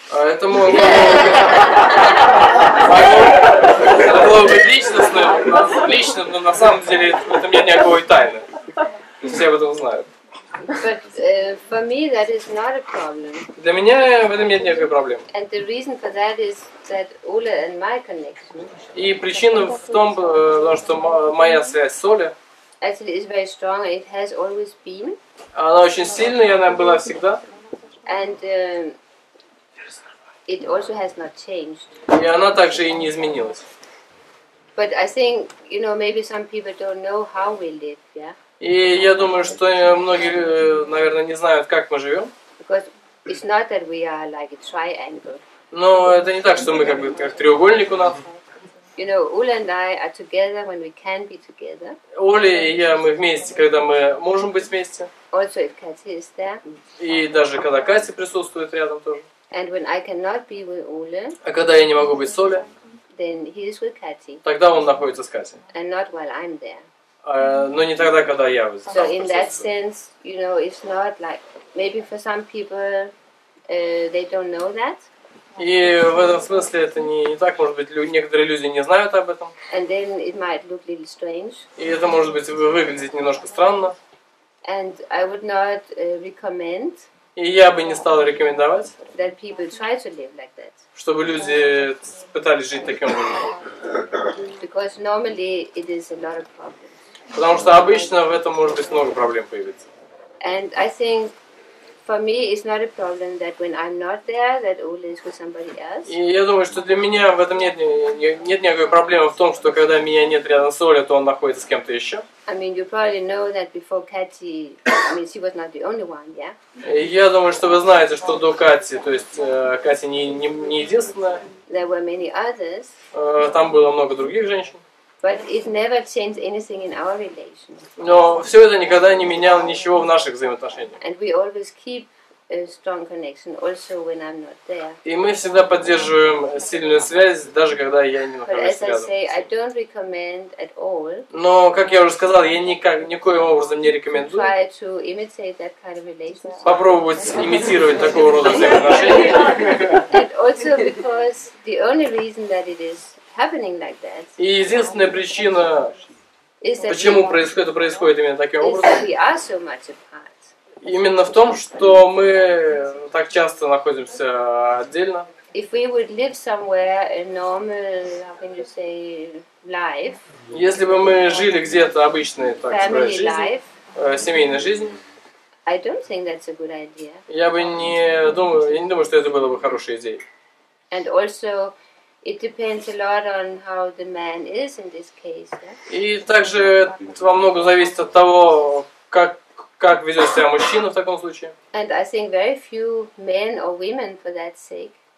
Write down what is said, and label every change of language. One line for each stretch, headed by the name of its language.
Russian: Это можно было быть личным, но на самом деле это мне никакой тайны. Все об этом знают.
English: But for me that is not a problem.
Russian: Для меня в этом нет никакой проблемы.
English: And the reason for that is that Ola and my connection.
Russian: И причина в том, что моя связь с Олей.
English: Actually, it's very strong. It has always been.
Russian: Она очень сильная, она была всегда.
English: And it also has not changed.
Russian: И она также и не изменилась.
English: But I think, you know, maybe some people don't know how we live, yeah.
Russian: И я думаю, что многие, наверное, не знают, как мы живем.
English: Because it's not that we are like a triangle.
Russian: Но это не так, что мы как бы как треугольник у нас.
English: You know, Ule and I are together when we can be together.
Russian: Ule и я, мы вместе, когда мы можем быть вместе.
English: Also if Katy is there.
Russian: И даже когда Катя присутствует рядом тоже.
English: And when I cannot be with Ule.
Russian: А когда я не могу быть с Ule.
English: Then he is with Katy.
Russian: Тогда он находится с Катей.
English: And not while I'm there.
Russian: Но не тогда, когда я здесь.
English: So in that sense, you know, it's not like maybe for some people they don't know that.
Russian: И в этом смысле это не так, может быть, некоторые люди не знают об этом.
English: And then it might look a little strange.
Russian: И это может быть выглядеть немножко странно.
English: And I would not recommend.
Russian: И я бы не стал рекомендовать.
English: That people try to live like that.
Russian: Чтобы люди пытались жить таким образом.
English: Because normally it is a lot of problems.
Russian: Потому что обычно в этом может быть много проблем появиться.
English: And I think for me it's not a problem that when I'm not there that Ule is with somebody else.
Russian: И я думаю, что для меня в этом нет никакой проблемы в том, что когда меня нет рядом с Олей, то он находится с кем-то еще.
English: I mean, you probably know that before Katy, I mean, she was not the only one, yeah?
Russian: Я думаю, что вы знаете, что до Кати, то есть Катя не единственная.
English: There were many others.
Russian: Там было много других женщин.
English: But it never changed anything in our relationship.
Russian: Но все это никогда не меняло ничего в наших взаимоотношениях.
English: And we always keep a strong connection also when I'm not there.
Russian: И мы всегда поддерживаем сильную связь, даже когда я не нахожусь рядом.
English: But as I say, I don't recommend at all.
Russian: Но, как я уже сказал, я никоим образом не рекомендую.
English: Try to imitate that kind of relationship.
Russian: Попробовать имитировать такого рода взаимоотношения.
English: And also because the only reason that it is happening like that.
Russian: И единственная причина, почему происходит именно таким образом,
English: we are so much apart.
Russian: Именно в том, что мы так часто находимся отдельно.
English: If we would live somewhere a normal, how can you say, life.
Russian: Если бы мы жили где-то обычной, так сказать, жизнью, семейной жизнью,
English: I don't think that's a good idea.
Russian: Я не думаю, что это было бы хорошей идеей.
English: And also, it depends a lot on how the man is in this case.
Russian: И также во многом зависит от того, как ведет себя мужчина в таком случае.
English: And I think very few men or women for that sake.